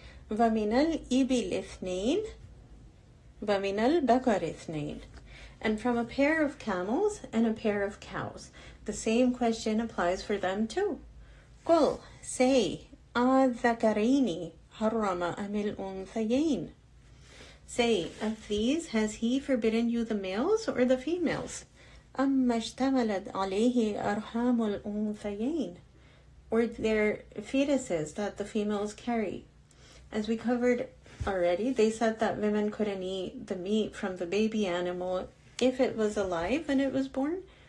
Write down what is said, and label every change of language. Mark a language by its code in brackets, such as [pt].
[ar] وَمِنَ الْإِبِلِ اثْنَيْنِ وَمِنَ الْبَقَرِ اثْنَيْنِ. [en] And from a pair of camels and a pair of cows. The same question applies for them too. [ar] قُلْ, say, أَذَّكَرَيْنِ حَرَّمَ أَمِ الْأُنْثَيَيْنِ. [en] Say, of these, has he forbidden you the males or the females? [ar] أَمَّ اشْتَمَلَتْ عَلَيْهِ أَرْحَامُ الْأُنْثَيَيْنِ. [en] Or their fetuses that the females carry. As we covered already, they said that women couldn't eat the meat from the baby animal if it was alive when it was born.